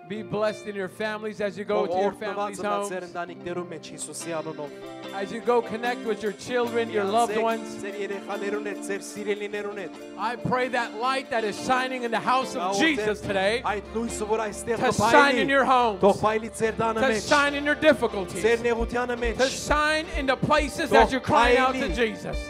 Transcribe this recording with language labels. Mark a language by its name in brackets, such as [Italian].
[English] Be blessed in your families as you go to your family's home. [Armenian] Ձեր ընտանիքներում մեջ Հիսուսի անունով. [English] As you go connect with your children, your loved ones. [Armenian] Ձեր երեխաներուն հետ, ձեր սիրելիներուն հետ. [English] I pray that light that is shining in the house of Jesus today. [Armenian] Այդ լույսը որ այստեղ բայլի. [English] To shine in your homes. [Armenian] Թող բայլի ձեր տանը մեջ. [English] To shine in your difficulties. [Armenian] Ձեր նեղությանը մեջ. [English] To shine in the places that you cry out to Jesus.